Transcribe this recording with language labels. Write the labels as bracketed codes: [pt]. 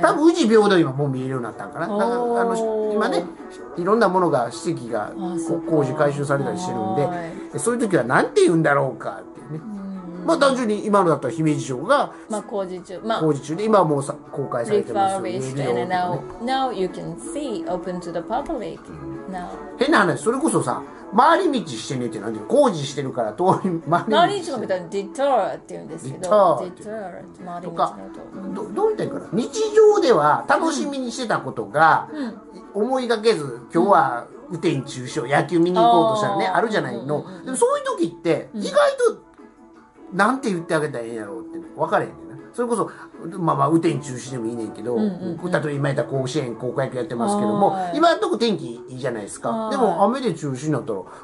[ja] 多分宇治平等今もう見えるようになったんかな、だからあの今ね、いろんなものが史跡が工事回収されたりしてるんで、そういう時はなんて言うんだろうかっていうね、まあ単純に今のだったら姫路城が、まあ、工事中、まあ、工事中で今はもうさ公開されてますよ、見えるよ、ね、 [en] now, now you can see open to the public now、 [ja] 変な話、それこそさ回り道してねって何で工事してるから通り回り道してみたいな、ディトールって言うんですけど、ディトールとか、回り道と、どう言ったらいいかな、日常では楽しみにしてたことが、うん、思いがけず今日は、うん、雨天中止、野球見に行こうとしたらね、あるじゃないの、でもそういう時って意外と、うん、なんて言ってあげたらええやろうって分かれへんねんな、それこそまあまあ雨天中止でもいいねんけど、例えば今言ったら甲子園高校野球やってますけども、今のとこ天気いいじゃないですか、でも雨で中止になったら